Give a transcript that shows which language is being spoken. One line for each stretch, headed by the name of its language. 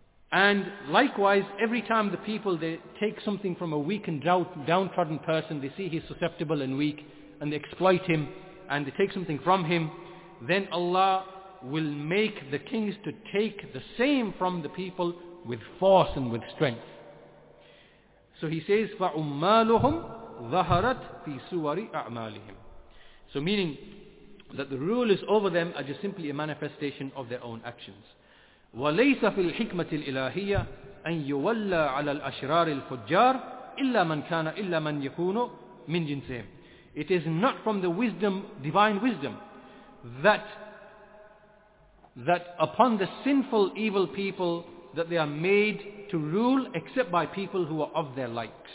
English: And likewise, every time the people, they take something from a weak and downtrodden person, they see he's susceptible and weak, and they exploit him, and they take something from him, then Allah will make the kings to take the same from the people with force and with strength. So he says,
Arabic: فَعُمَّالُهُمْ ظَهَرَتْ فِي سُوَرِ أَعْمَالِهِمْ.
English: So meaning that the rulers over them are just simply a manifestation of their own actions.
Arabic: وَلَيْسَ فِي الْحِكْمَةِ الْإِلَهِيَّةِ أَنْ يُوَلَّى عَلَى الْأَشْرَارِ الْفُجَّارِ إِلَّا مَنْ كَانَ إِلَّا مَنْ يَكُونُ مِنْ جِنْسِهِمْ.
English: It is not from the wisdom, divine wisdom, that upon the sinful evil people that they are made to rule except by people who are of their likes.